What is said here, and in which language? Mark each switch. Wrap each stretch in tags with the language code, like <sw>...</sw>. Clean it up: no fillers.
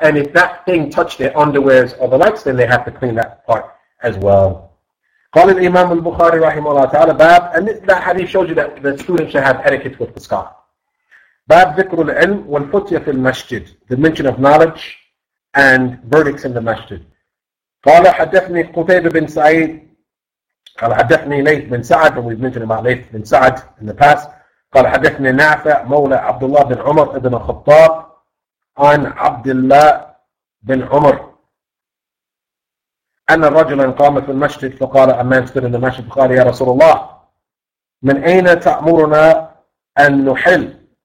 <en>And if that thing touched their underwears or the likes, then they have to clean that part. As well.</en> <ar>قال الإمام البخاري رحمه الله تعالى باب</ar> <en>and that hadith shows you that the student should have etiquette with the scholar.</en> <ar>باب ذكر العلم والفتية في المسجد</ar> <en>the mention of knowledge and verdicts in the masjid.</en> <ar>قال حدثني قتيبة بن سعيد قال حدثني ليث بن سعد</ar> <en>and we've mentioned about</en> <ar>ليث بن سعد</ar> <en>in the past.</en> <ar>قال حدثني نافع مولى عبد الله بن عمر بن الخطاب عن عبد الله بن عمر أن الرجل قام في المسجد فقال</ar> <en>a man stood in the masjid</en> <ar>فقال يا رسول الله من أين تأمرنا أن نحل</ar>